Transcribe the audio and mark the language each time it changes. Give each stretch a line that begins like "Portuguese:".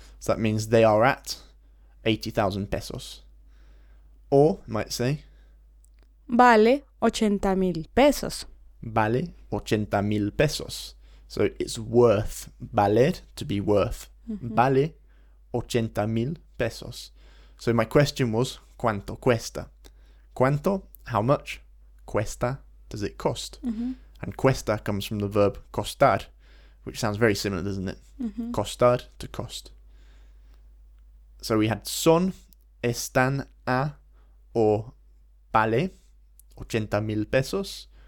English: So that means they are at 80,000 pesos. Or you might say...
Spanish: Vale 80,000 pesos. Vale 80,000 pesos.
English: So it's worth, valer, to be worth.
Spanish: Mm-hmm. Vale 80,000 pesos.
English: So my question was,
Spanish: ¿cuánto cuesta? ¿Cuánto?
English: How much?
Spanish: ¿Cuesta?
English: Does it cost? Mm-hmm. And cuesta comes from the verb costar, which sounds very similar, doesn't it? Mm-hmm. Costar, to cost. So we had
Spanish: son, están a,
English: or
Spanish: vale 80,000 pesos.